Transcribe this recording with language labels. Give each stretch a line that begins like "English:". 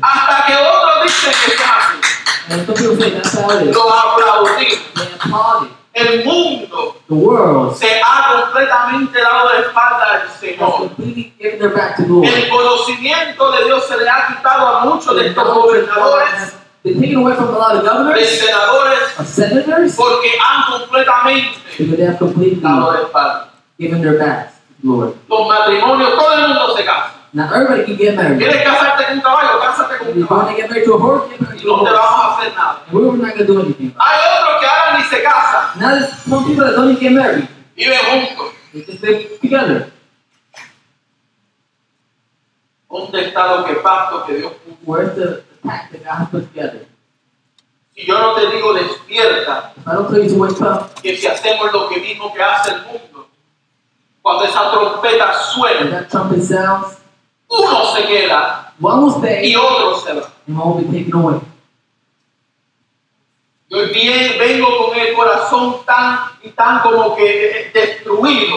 Spanish: Hasta que otros dicen que está así. Lo aplaudimos. El mundo,
English: the world,
Spanish: se ha completamente dado la espalda al Señor. El conocimiento de Dios se le ha quitado a muchos de estos gobernadores.
English: They're taken away from a lot of governors,
Spanish: senadores,
English: of senators,
Spanish: porque han completamente,
English: because they have completely given their backs to the Lord.
Spanish: Los matrimonios, todo el mundo se casa.
English: Now everybody can get married.
Spanish: ¿Quieres casarte con un caballo? Cásate con un caballo.
English: You want to get married to a horse? Get married to a horse.
Spanish: No te vamos a hacer nada.
English: We're not going to do anything.
Spanish: Hay otros que ahora ni se casan.
English: Now there's some people that don't even get married.
Spanish: Viven juntos.
English: They just live together.
Spanish: ¿Dónde está lo que pacto que Dios puso?
English: Where's the pact that God put together?
Spanish: Si yo no te digo despierta,
English: if I don't tell you to wake up,
Spanish: que si hacemos lo que mismo que hace el mundo, cuando esa trompeta suena,
English: when that trumpet sounds,
Spanish: uno se queda,
English: one will stay,
Spanish: y otro se va,
English: and one will be taken away.
Spanish: Yo vengo con el corazón tan y tan como que destruido.